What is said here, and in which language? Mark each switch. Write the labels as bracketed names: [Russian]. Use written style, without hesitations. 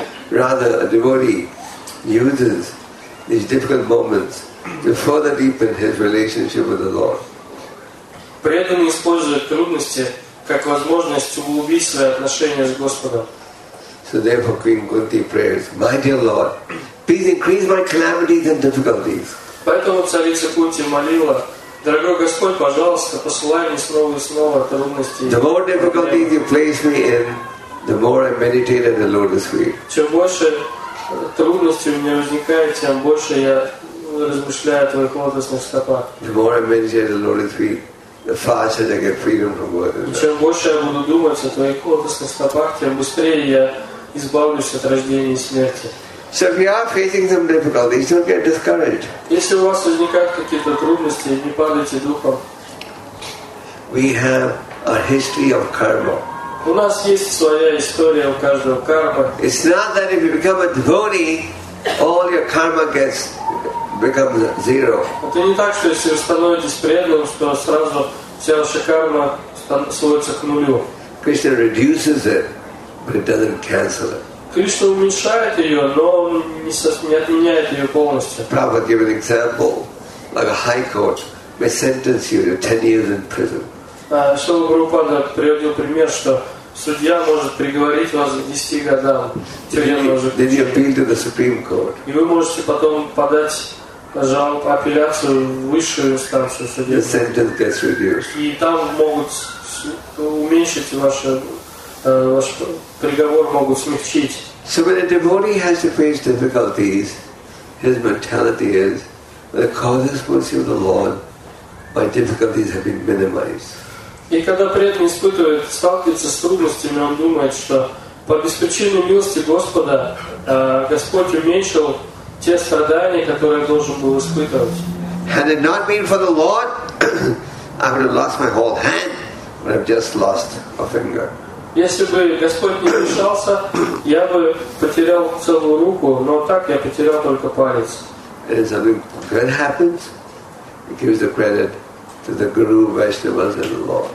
[English] Rather, a devotee uses these difficult moments to further deepen his relationship with the Lord. [Russian] Преданный использует трудности как возможность углубить свои отношения с Господом. [English] So therefore Queen Kunti prays, my dear Lord, please increase my calamities and difficulties. [Russian] Поэтому царица Кунти молила, дорогой Господь, пожалуйста, посылай мне снова и снова трудности. [English] The more difficulties you place me in, the more I meditate at the lotus feet. [Russian] Чем больше трудностей у меня возникает, тем больше я размышляю о твоих лотосных стопах. [English] The more I meditate at the lotus feet, the faster I get freedom from birth. [Russian] Чем больше я буду думать о твоих лотосных стопах, тем быстрее я избавлюсь от рождения и смерти. [English] So if you are facing some difficulties, don't get discouraged. [Russian] Если у вас возникают какие-то трудности, не падайте духом. [English] We have a history of karma. [Russian] У нас есть своя история у каждого карма. [English] It's not that if you become a devotee, all your karma gets becomes zero. [Russian] Это не так, что если вы становитесь преданным, что сразу вся ваша карма становится к нулю. [English] Krishna reduces it, but it doesn't cancel it. [Russian] Krishna уменьшает ее, но не отменяет ее полностью. [English] Prabhupada gave an example, like a high court may sentence you to 10 years in prison. [Russian] Шрила Прабхупада приводил пример, что судья может приговорить вас к 10 годам. [English] Then you appeal to the Supreme Court. [Russian] И вы можете потом подать жалобу, апелляцию в высшую инстанцию судебную. [English] The sentence gets reduced. [Russian] И там могут уменьшить ваш приговор, могут смягчить. [English] So when a devotee has to face difficulties, his mentality is the causes mercy of the Lord, my difficulties have been minimized. [Russian] И когда преданный испытывает, сталкивается с трудностями, он думает, что по беспричинной милости Господа, Господь уменьшил те страдания, которые должен был испытывать. [English] Had it not been for the Lord, I would have lost my whole hand, but I've just lost a finger. [Russian] Если бы Господь не вмешался, я бы потерял целую руку, но так я потерял только палец. [English] And if something good happens, it gives the credit to the Guru, Vaishnavas and the Lord.